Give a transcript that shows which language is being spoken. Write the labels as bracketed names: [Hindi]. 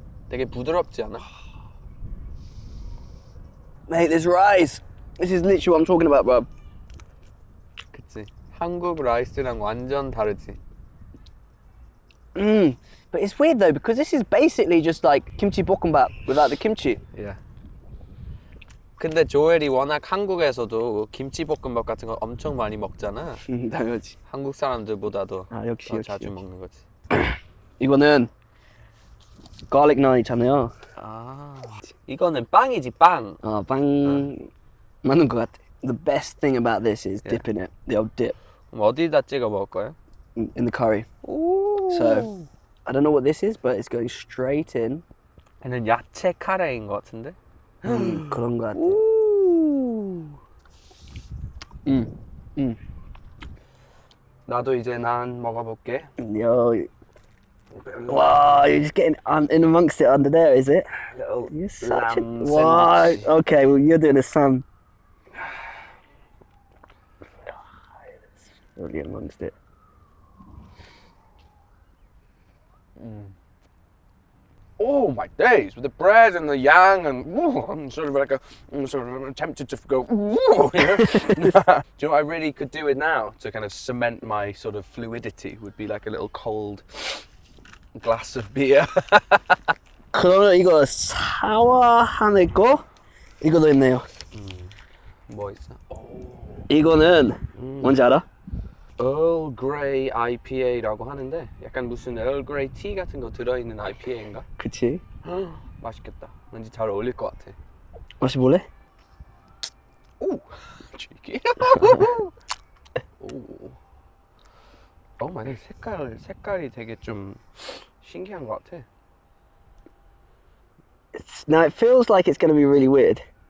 [Korean] 되게 부드럽지 않아? [English] Mate, this rice. This is literally what I'm talking about, bro. [Korean] 그치. 한국 라이스랑 완전 다르지. Mm. [English] But it's weird though, because this is basically just like kimchi bokkeumbap without the kimchi. Yeah. [Korean] 근데 조엘이 워낙 한국에서도 김치 볶음밥 같은 거 엄청 많이 먹잖아. 당연하지. 한국 사람들보다도 아, 역시, 더 역시, 자주 역시. 먹는 거지. 이거는 garlic naan이잖아요. 아, 이거는 빵이지, 빵. 어, 빵 어. 맞는 것 같아. [English] The best thing about this is dipping it, the old dip. [Korean] 그럼 어디다 찍어 먹을 거야? [English] In the curry. So, I don't know what this is, but it's going straight in. [Korean] 얘는 야채 카레인 것 같은데? 그런 것 같아. 나도 이제 난 먹어볼게. [English] 요. Wow, you're just getting in amongst it under there, is it? You're such a... Wow, okay, well, you're doing a Sam. Really amongst it. Oh my days, with the bread and the yang and I'm sort of like a, I'm tempted to go you know? Do you know what I really could do it now to kind of cement my sort of fluidity would be like a little cold glass of beer. [Korean] 그러면 이거 사와 하나 있고 이것도 있네요. 뭐 있어? 이거는 뭔지 알아? Earl Grey IPA라고 하는데 약간 무슨 Earl Grey tea 같은 거 들어있는 IPA인가? 그치. 맛있겠다. 왠지 잘 어울릴 것 같아. 마셔볼래? 오! 쥐기. 오. 오, 색깔이 되게 좀 신기한 것 같아. [English] It's, now it feels like it's gonna be really weird.